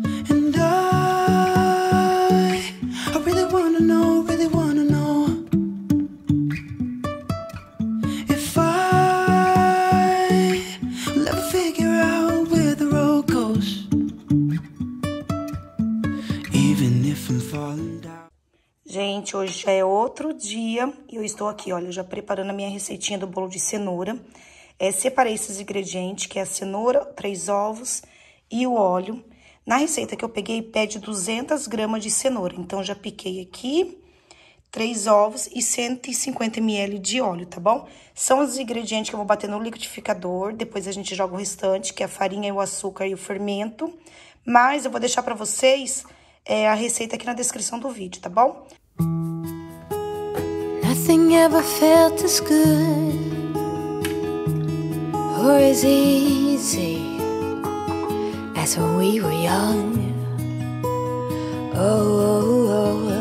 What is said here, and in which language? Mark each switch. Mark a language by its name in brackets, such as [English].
[English] And I really wanna know, really wanna know. If I'll ever figure out where the road goes. Even if I'm falling down. [Portuguese] Gente, hoje já é outro dia e eu estou aqui, olha, já preparando a minha receitinha do bolo de cenoura. Separei esses ingredientes, que é a cenoura, 3 ovos e o óleo. Na receita que eu peguei, pede 200 gramas de cenoura. Então, já piquei aqui 3 ovos e 150 ml de óleo, tá bom? São os ingredientes que eu vou bater no liquidificador. Depois a gente joga o restante, que é a farinha, o açúcar e o fermento. Mas eu vou deixar pra vocês... a receita aqui na descrição do vídeo, tá bom? [English] Nothing ever felt as good or as easy as when we were young. Oh, oh, oh.